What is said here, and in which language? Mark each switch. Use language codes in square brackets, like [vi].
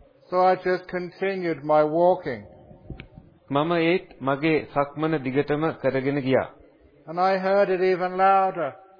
[en] So I just continued my walking. [si] මම ඒත් මගේ සක්මන දිගටම කරගෙන ගියා. [en] And I heard it even louder.